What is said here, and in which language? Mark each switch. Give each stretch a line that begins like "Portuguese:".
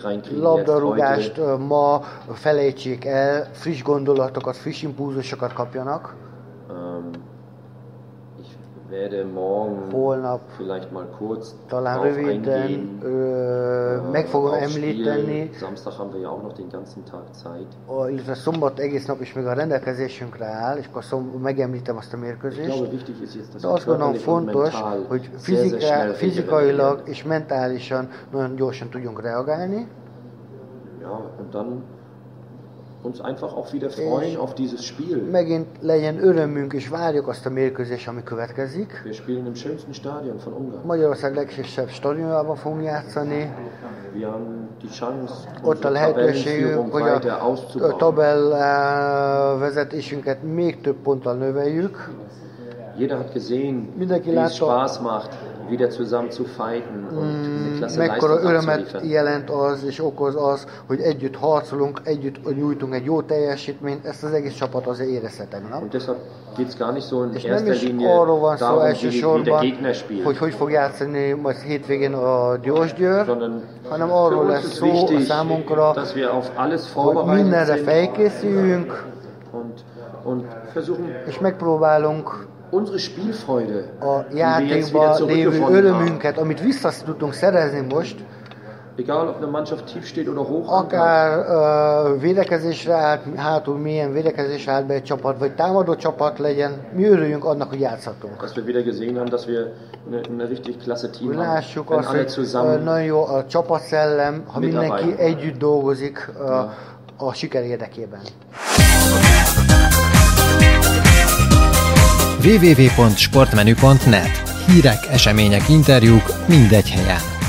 Hungarian: Labdarúgást ma felejtsék el, friss gondolatokat, friss impulzusokat kapjanak.
German: Ich werde morgen
Hungarian: holnap
German: vielleicht mal kurz
Hungarian: talán röviden meg fogom említeni.
German: Samstag haben wir ja auch noch den ganzen Tag Zeit.
Hungarian: Illetve szombat egész nap is még a rendelkezésünkre áll, és akkor megemlítem azt a mérkőzést. De azt gondolom fontos, hogy fizikailag és mentálisan nagyon gyorsan tudjunk reagálni.
German: Ja, und dann uns einfach auch wieder freuen auf dieses Spiel.
Hungarian: Megint legyen örömünk, és várjuk azt a mérkőzést, ami következik.
German: Wir spielen im schönsten Stadion von Ungarn.
Hungarian: Magyarország legszebb stadionjában fogunk játszani.
German: Wir haben die Chance,
Hungarian: ott a lehetőségünk, hogy a tabellvezetésünket még több ponttal növeljük.
German: Jeder hat gesehen,
Hungarian: mindenki
German: wie
Hungarian: látta,
German: Spaß macht, wieder zusammen zu fighten und
Hungarian: mekkora örömet jelent az és okoz az, hogy együtt harcolunk, együtt nyújtunk egy jó teljesítményt, ezt az egész csapat azért érezhette, nem?
German: Und deshalb geht's gar nicht so in
Hungarian: és
German: erster
Hungarian: nem is
German: Linie
Hungarian: arról van
German: darum,
Hungarian: szó elsősorban,
German: wie der Gegner spielt,
Hungarian: hogy fog játszani majd hétvégén a Diósgyőr, hanem arról lesz szó
German: wichtig,
Hungarian: a számunkra,
German: dass wir auf alles
Hungarian: hogy mindenre felkészüljünk,
German: und versuchen,
Hungarian: és megpróbálunk
German: unsere Spielfreude,
Hungarian: a játékban lévő örömünket, amit vissza tudtunk szerezni most,
German: egal ob eine Mannschaft tief steht oder hoch,
Hungarian: akár védekezésre állt, hátul milyen védekezésre állt be egy csapat, vagy támadó csapat legyen, mi örüljünk annak, hogy játszhatunk.
German: Dass wir wieder gesehen haben, dass wir eine richtig klasse Team haben.
Hungarian: Lássuk azt, hogy nagyon jó a csapatszellem, ha mindenki együtt dolgozik a siker érdekében. www.sportmenu.net Hírek, események, interjúk mindegy helyen.